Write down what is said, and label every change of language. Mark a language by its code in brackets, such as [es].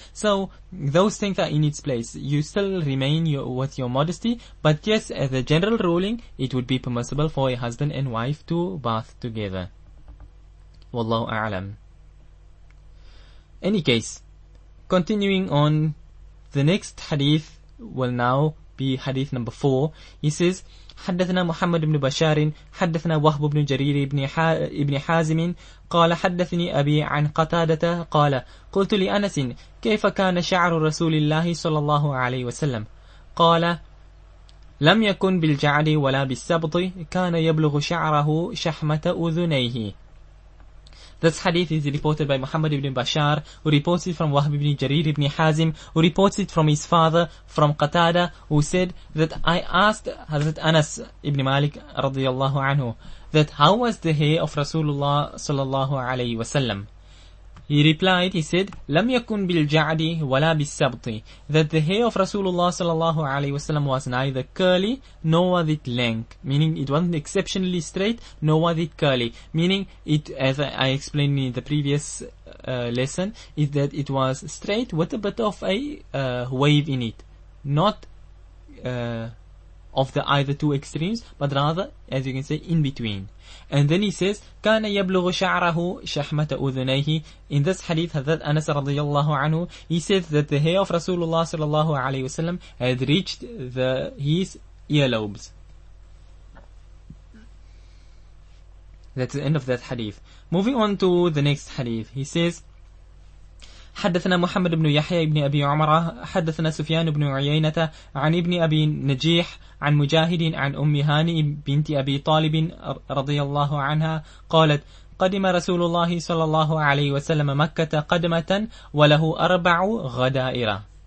[en] So those things are in its place. You still remain with your modesty, but yes, as a general ruling, it would be permissible for a husband and wife to bath together. Wallahu a'lam. Any case, continuing on, the next hadith will now be hadith number 4. He says, [ar] حدثنا محمد بن بشار حدثنا وهب بن جرير بن حازم قال حدثني أبي عن قتادة قال قلت لأنس كيف كان شعر رسول الله صلى الله عليه وسلم قال لم يكن بالجعد ولا بالسبط كان يبلغ شعره شحمة أذنيه. [en] This hadith is reported by Muhammad ibn Bashar, who reports it from Wahb ibn Jarir ibn Hazim, who reports it from his father, from Qatada, who said that I asked Hazrat Anas ibn Malik radiyallahu anhu, that how was the hair of Rasulullah sallallahu alayhi wa sallam? He replied, he said, [ar] لم يكن بالجعد ولا بالسبط, [en] that the hair of Rasulullah sallallahu alayhi wa sallam was neither curly nor was it lank, meaning it wasn't exceptionally straight nor was it curly, meaning it, as I explained in the previous lesson, is that it was straight with a bit of a wave in it, not of the either two extremes, but rather, as you can say, in between. And then he says, [ar] كَانَ يَبْلُغُ شَعْرَهُ شَحْمَةَ أُذُنَيْهِ. [en] In this hadith, Hazrat Anas radiyallahu anhu, he says that the hair of Rasulullah sallallahu alayhi wa sallam had reached his earlobes. That's the end of that hadith. Moving on to the next hadith, he says, [ar] حدثنا محمد بن يحيى بن أبي عمرة حدثنا سفيان بن عيينة عن ابن أبي نجيح عن مجاهد عن أم هاني بنت أبي طالب رضي الله عنها قالت قدم رسول الله صلى الله عليه وسلم مكة قدمة وله أربع غدائر.